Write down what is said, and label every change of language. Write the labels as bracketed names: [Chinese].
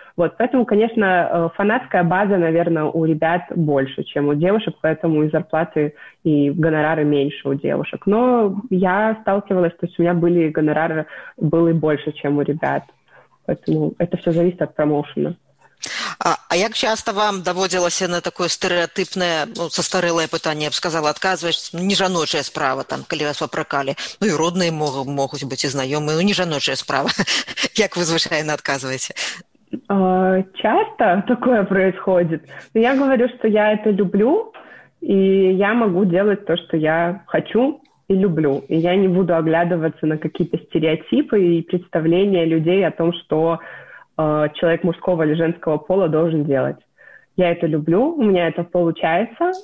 [Russian] Вот, поэтому, конечно, фанатская база, наверное, у ребят больше, чем у девушек, поэтому и зарплаты, и гонорары меньше у девушек. Но я сталкивалась, то есть у меня были гонорары, было и больше, чем у ребят. Поэтому это все зависит от промоушена. [Ukrainian] А як часто вам доводилося на такое стереотипне, застарелое питання, я б сказала, відказуєш, не жаноча справа, там, коли вас попрекали, і родні можуть бути, і знайомі, не жаноча справа. Як ви, звичайно, відказуєте? [Russian] Часто такое происходит. Но я говорю, что я это люблю, и я могу делать то, что я хочу и люблю. И я не буду оглядываться на какие-то стереотипы и представления людей о том, что человек мужского или женского пола должен делать. Я это люблю, у меня это получается.